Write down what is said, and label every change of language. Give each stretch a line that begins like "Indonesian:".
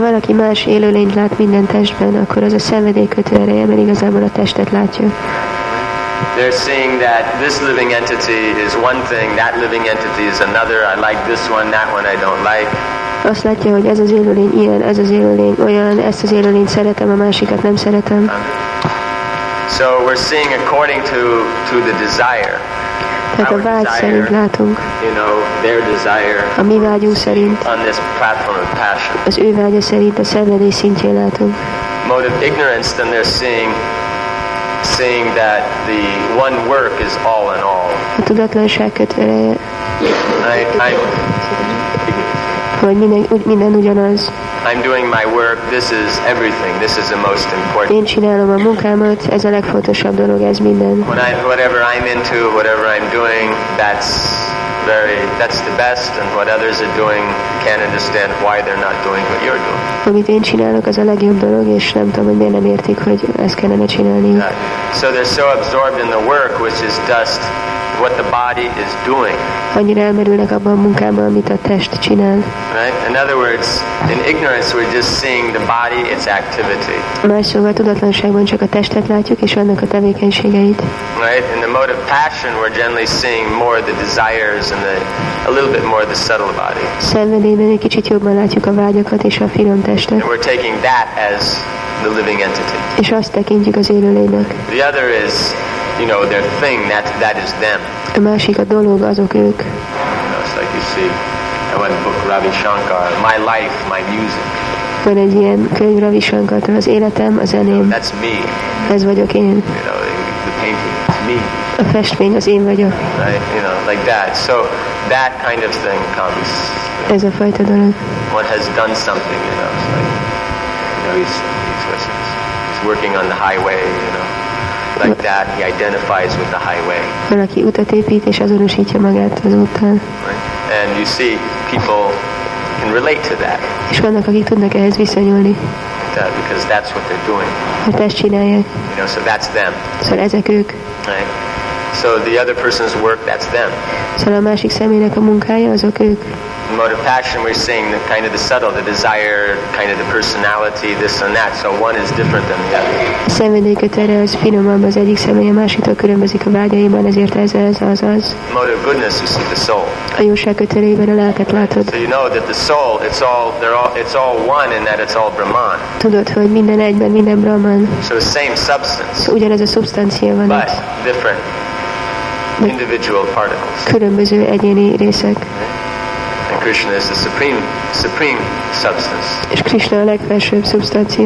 Hungarian: valaki más élőlényt lát minden testben, akkor az a szenvedélykötő ereje, mert igazából a testet látja.
English: They're seeing that this living entity is one thing, that living entity is another. I like this one, that one I don't like.
Hungarian: Azt látja, hogy ez az élőlény ilyen, ez az élőlény olyan, ezt az élőlényt szeretem, a másikat nem szeretem.
English: So we're seeing according to the desire.
Hungarian: Tehát a vágy szerint látunk.
English: You know, their desire.
Hungarian: A mi vágyunk szerint.
English: On this platform of passion.
Hungarian: Az ő vágya szerint a szenvedély szintjén látunk.
English: Mode of ignorance, then they're seeing that the one work is all in all.
Hungarian: A tudatlanság kötveleje.
English: I
Hungarian: hogy minden ugyanaz.
English: I'm doing my work. This is everything. This is the most important.
Hungarian: Én csinálom a munkámat. Ez a legfontosabb dolog. Ez minden.
English: When I, whatever I'm into, whatever I'm doing, that's very, that's the best. And what others are doing, can't understand why they're not doing what you're doing.
Hungarian: Amit én csinálok, az a legjobb dolog, és nem tudom, hogy miért nem értik, hogy ezt kellene csinálni.
English: So they're so absorbed in the work, which is just what the body is doing.
Hungarian: Annyira elmerülnek abban a munkában, amit a test csinál.
English: Right? In other words, in ignorance we're just seeing the body, its activity.
Hungarian: Más szóval, tudatlanságban csak a testet látjuk és annak a tevékenységeit.
English: Right? In the mode of passion we're generally seeing more the desires and the a little bit more the subtle body.
Hungarian: Szenvedélyben egy kicsit jobban látjuk a vágyakat és a finom testet.
English: And we're taking that as the living entity.
Hungarian: És azt tekintjük az élőlénynek.
English: The other is, you know, their thing, that is them.
Hungarian: A másik a dolog, azok ők.
English: It's like you see, I want a book, Ravi Shankar, My Life, My Music.
Hungarian: Van egy ilyen könyv Ravi Shankartól, az életem, a zeném.
English: You know, that's me.
Hungarian: Ez vagyok én.
English: You know, the painting, it's me.
Hungarian: A festmény, az én vagyok.
English: Right, you know, like that. So, that kind of thing comes.
Hungarian: Ez a fajta dolog.
English: One has done something, you know, it's like, you know, he's working on the highway, you know. Like that, he identifies with the highway.
Hungarian: Valaki utat épít és azonosítja magát az úttal.
English: And you see, people can relate to that.
Hungarian: És vannak, akik tudnak ehhez viszonyulni.
English: That, because that's what they're doing.
Hungarian: Mert ezt csinálják.
English: You know, so that's them.
Hungarian: Szóval ezek ők.
English: Right. So the other person's work, that's them.
Hungarian: Szóval a másik személynek a munkája, azok ők.
English: The mode of passion we're seeing, the kind of the subtle, the desire, kind of the personality, this and that. So one is different than the other.
Hungarian: Szenvedélykötele az finomabb az egyik személy, a másiktól különbözik a vágyaiban, ezért ez az.
English: The mode of goodness, you see the soul.
Hungarian: A jóság kötelében a lelket látod.
English: So you know that the soul, it's all one in that it's all Brahman.
Hungarian: Tudod, hogy minden egyben, minden Brahman.
English: So the same substance.
Hungarian: Ugyanez a szubstancia van.
English: But different individual particles.
Hungarian: Különböző egyéni részek.
English: Krishna is the supreme substance.
Hungarian: És Krishna a legfelsőbb szubstancia.